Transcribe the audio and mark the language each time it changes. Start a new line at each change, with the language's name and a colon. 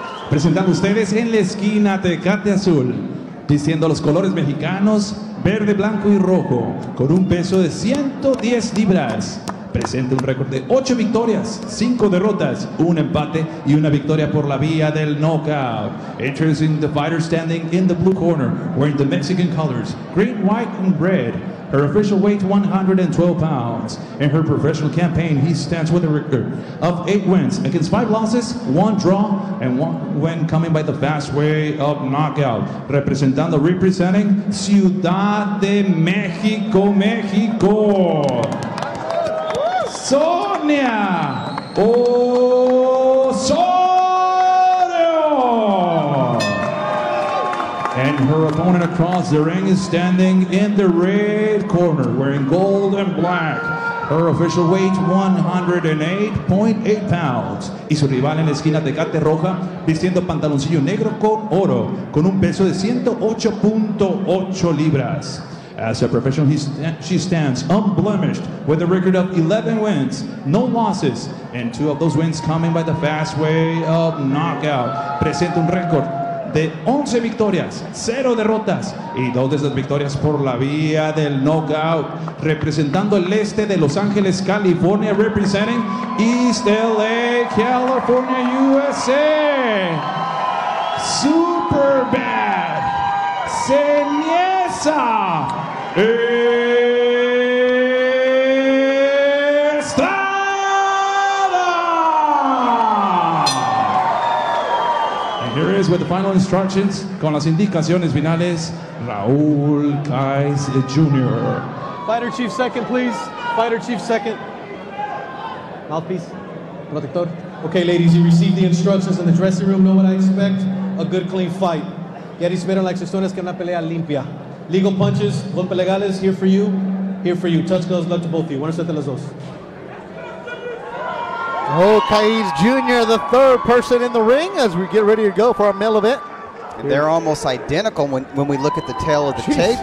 Spanish: Presentando ustedes en la esquina Tecate Azul, vistiendo los colores mexicanos, verde, blanco y rojo, con un peso de 110 libras. Presenta un récord de 8 victorias, 5 derrotas, un empate y una victoria por la vía del knockout.
English: Introducing the fighter standing in the blue corner, wearing the Mexican colors, green, white and red. Her official weight, 112 pounds. In her professional campaign, he stands with a record of 8 wins against 5 losses, 1 draw, and 1 win coming by the fast way of knockout. Representing Ciudad de Mexico, Mexico. Sonia Osorio. And her opponent across the ring is standing in the red corner, wearing gold and black. Her official weight, 108.8 pounds.
Spanish: Y su rival en la esquina de Tecate Roja, vistiendo pantaloncillo negro con oro, con un peso de 108.8 libras.
English: As a professional, she stands unblemished with a record of 11 wins, no losses, and 2 of those wins coming by the fast way of knockout.
Spanish: Presenta un récord de 11 victorias, 0 derrotas, y 2 de esas victorias por la vía del knockout. Representando el este de Los Ángeles, California,
English: representing East LA, California, USA. Super bad. Seniesa. Estrada! And here is with the final instructions,
Spanish: con las indicaciones finales,
English: Raúl Kais Jr. Fighter Chief second, please. Fighter Chief second. Mouthpiece. Protector. Okay, ladies, you received the instructions in the dressing room. Know what I expect? A good, clean fight.
Spanish: Ya recibieron las instrucciones que una pelea limpia.
English: Legal punches,
Spanish: golpes legales,
English: here for you, here for you. Touch gloves, luck to both of you.
Spanish: Buena suerte a los dos.
English: Oh, Kais Jr., the 3rd person in the ring as we get ready to go for our middle event. And they're almost identical when we look at the tail of the tape.